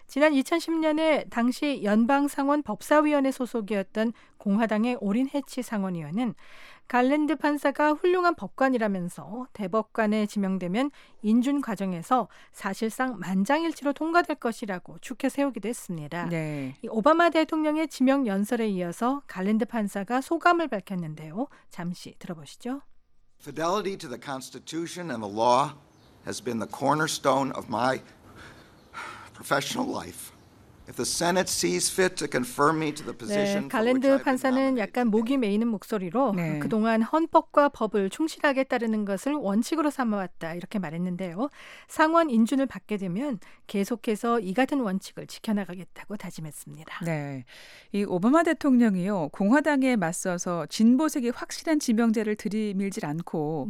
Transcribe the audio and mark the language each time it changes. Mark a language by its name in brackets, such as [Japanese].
[Korean] 지난 2010년에 당시 연방상원 법사위원회 소속이었던 공화당의 오린 해치 상원의원은 갈랜드 판사가 훌륭한 법관이라면서 대법관에 지명되면 인준 과정에서 사실상 만장일치로 통과될 것이라고 축하 세우기도 했습니다. 네. 이 오바마 대통령의 지명 연설에 이어서 갈랜드 판사가 소감을 밝혔는데요. 잠시 들어보시죠. [English] Fidelity to the Constitution and the law has been the cornerstone of my professional life. If the Senate sees fit to confirm me to the position, [Korean] 네, 갈랜드 판사는 약간 목이 메이는 목소리로 네. 그동안 헌법과 법을 충실하게 따르는 것을 원칙으로 삼아왔다 이렇게 말했는데요. 상원 인준을 받게 되면 계속해서 이 같은 원칙을 지켜나가겠다고 다짐했습니다. 네, 이 오바마 대통령이요 공화당에 맞서서 진보색이 확실한 지명자를 들이밀질 않고